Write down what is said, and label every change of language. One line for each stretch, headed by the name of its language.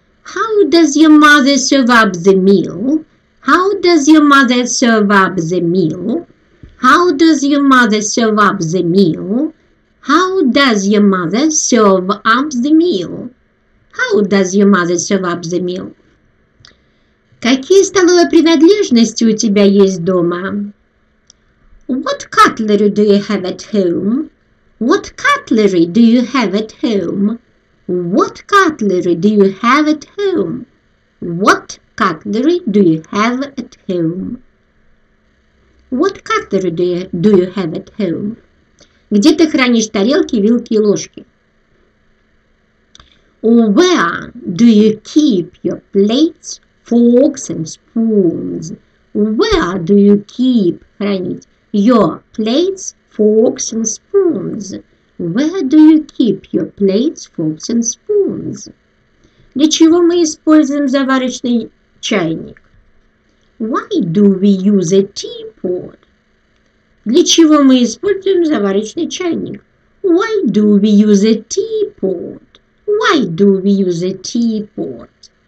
English: How does your mother serve up the meal? How does your mother serve up the meal? How does your mother serve up the meal? How does your mother serve up the meal? How does your mother serve up the meal?
Russian: Какие столовые принадлежности у тебя есть дома?
English: What cutlery do you have at home? What cutlery do you have at home? What cutlery do you have at home? What cutlery do you have at home? What cutlery do you have at home?
Russian: Где ты хранишь тарелки, вилки и ложки?
English: Where do you keep your plates, forks and spoons? Where do you keep,
Russian: хранить,
English: your plates, forks and spoons? Where do you keep your plates, forks and spoons?
Russian: Для чего мы используем заварочный чайник?
English: Why do we use a teapot?
Russian: Для чего мы используем заварочный чайник?
English: Why do we use a teapot? Why do we use a teapot?